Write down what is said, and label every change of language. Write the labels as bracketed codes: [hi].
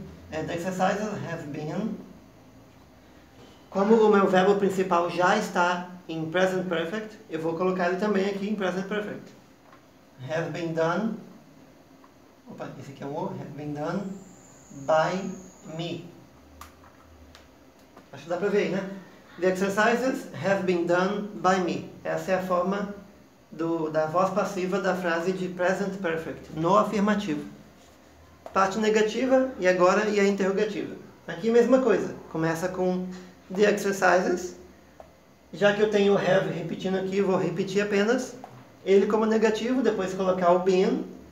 [en] The exercises have been. [pt] Como o meu verbo principal já está em present perfect, eu vou colocar ele também aqui em present perfect. [en] Have been done. [pt] Opa, esse aqui é um O. [en] Have been done by me. [pt] Acho que dá para ver aí, né? [en] The exercises have been done by me. [pt] Essa é a forma da voz passiva da frase de present perfect, no afirmativo. Parte negativa e agora e a interrogativa. Aqui mesma coisa. Começa com the exercises. Já que eu tenho o have repetindo aqui, eu vou repetir apenas ele como negativo, depois colocar o been.